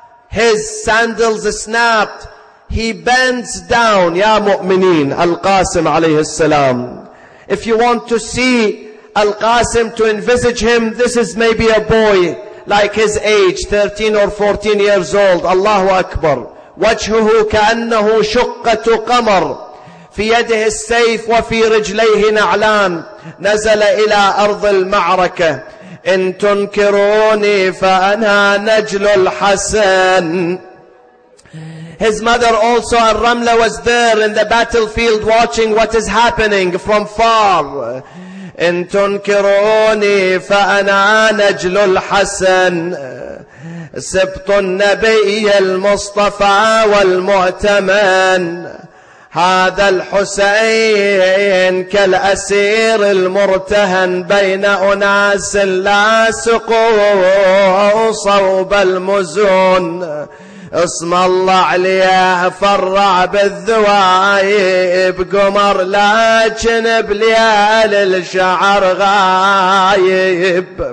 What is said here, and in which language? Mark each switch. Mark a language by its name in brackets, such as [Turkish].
[English] His sandals snapped. He bends down. Ya Mu'mineen, Al-Qasim alayhi salam. If you want to see Al-Qasim, to envisage him, this is maybe a boy like his age, 13 or 14 years old. Allahu Akbar. [Arabic] وجهه كأنه شقة قمر في يده السيف وفي رجليه نعلان نزل إلى أرض المعركة إن تنكروني فأنا نجل الحسن. [English] His mother also, Ar-Ramla, was there in the battlefield watching what is happening from far. [Arabic] إن تنكروني فأنا نجل الحسن سبط النبي المصطفى والمؤتمن هذا الحسين كالأسير المرتهن بين أناس لا سقوا صوب المزون اسم الله عليه فرع بالذوايب قمر لكن بليال الشعر غايب.